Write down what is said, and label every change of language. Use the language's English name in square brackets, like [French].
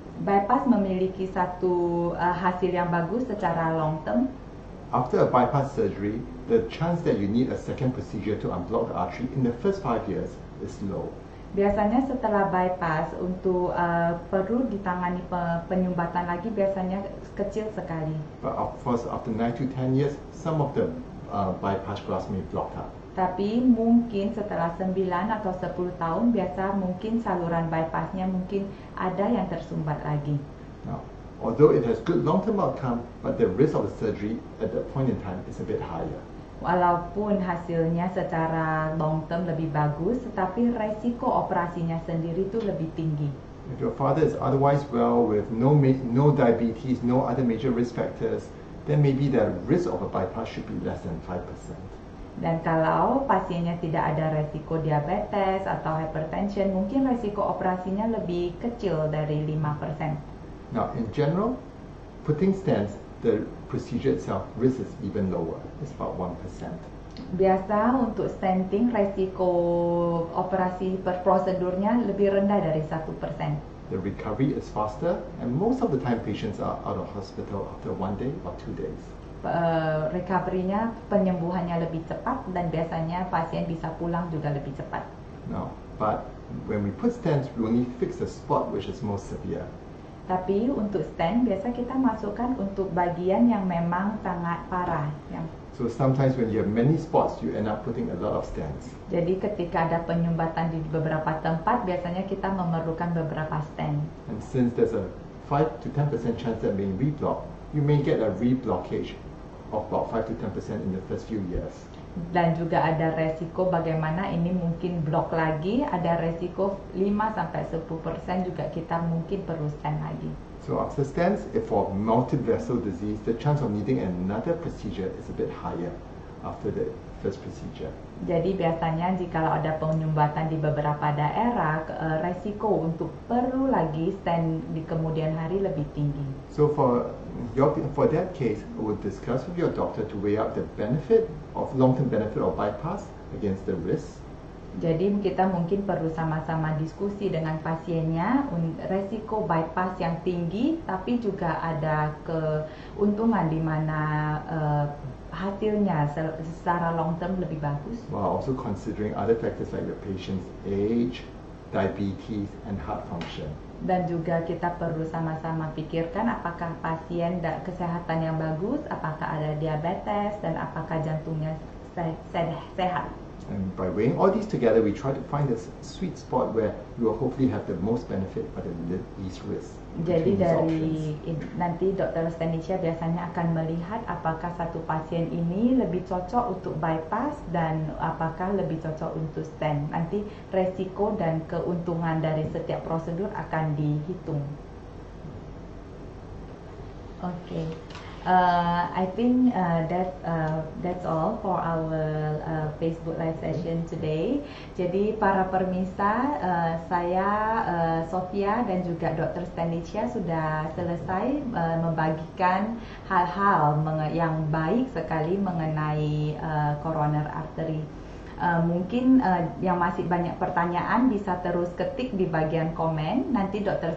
[Indonesian] bypass memiliki satu hasil yang bagus secara long term. [English] After a bypass surgery, the chance that you need a second procedure to unblock the artery in the first 5 years is low. [Indonesian] Biasanya setelah bypass untuk perlu ditangani penyumbatan lagi biasanya kecil sekali. [English] But of course, after 9 to 10 years, some of the bypass grafts may block up. [Indonesian] Tapi mungkin setelah 9 atau 10 tahun biasa mungkin saluran bypassnya mungkin ada yang tersumbat lagi. [English] Now, although it has good long-term outcome, but the risk of the surgery at that point in time is a bit higher. [Indonesian] Walaupun hasilnya secara long term lebih bagus, tetapi resiko operasinya sendiri itu lebih tinggi. [English] If your father is otherwise well with no diabetes, no other major risk factors, then maybe the risk of a bypass should be less than 5%. [Indonesian] Dan kalau pasiennya tidak ada resiko diabetes atau hypertension, mungkin resiko operasinya lebih kecil dari 5%. [English] Now, in general, putting stents, the procedure itself, risk is even lower. It's about 1%. [Indonesian] Biasa untuk stenting, resiko operasi per prosedurnya lebih rendah dari 1%. [English] The recovery is faster, and most of the time patients are out of hospital after 1 day or 2 days. [Indonesian] Recovery-nya, penyembuhannya lebih cepat, dan biasanya pasien bisa pulang juga lebih cepat. [English] Now, but when we put stents, we only fix the spot which is most severe. [Indonesian] Tapi untuk stent biasa kita masukkan untuk bagian yang memang sangat parah. [English] So sometimes when you have many spots, you end up putting a lot of stents. [Indonesian] Jadi ketika ada penyumbatan di beberapa tempat, biasanya kita memerlukan beberapa stent. [English] And since there's a 5 to 10% chance of being reblocked, you may get a reblockage of about 5 to 10% in the first few years. [Indonesian] Dan juga ada resiko bagaimana ini mungkin blok lagi, ada resiko 5-10% juga kita mungkin perlu stent lagi. [English] So after stents, if for multi-vessel disease, the chance of needing another procedure is a bit higher after the first procedure. [Indonesian] Jadi biasanya jika ada penyumbatan di beberapa daerah, resiko untuk perlu lagi stent di kemudian hari lebih tinggi. [English] So for that case, I would discuss with your doctor to weigh up the benefit of long-term benefit of bypass against the risk. [Indonesian] Jadi kita mungkin perlu sama-sama diskusi dengan pasiennya resiko bypass yang tinggi, tapi juga ada keuntungan di mana hasilnya secara long-term lebih bagus. [English] While also considering other factors like your patient's age, diabetes, and heart function. [Indonesian] Dan juga kita perlu sama-sama pikirkan apakah pasien kesehatan yang bagus, apakah ada diabetes, dan apakah jantungnya sehat. [English] And by weighing all these together, we try to find this sweet spot where you will hopefully have the most benefit but the least risk. [Indonesian] Jadi dari nanti Dr. Stanisha biasanya akan melihat apakah satu pasien ini lebih cocok untuk bypass dan apakah lebih cocok untuk stent. Nanti resiko dan keuntungan dari setiap prosedur akan dihitung. Okay. [English] I think that's all for our Facebook Live session today. [Indonesian] Jadi para pemirsa, saya Sofia dan juga Dr. Stanisha sudah selesai membagikan hal-hal yang baik sekali mengenai coronary artery. Mungkin yang masih banyak pertanyaan bisa terus ketik di bagian komen, nanti Dr.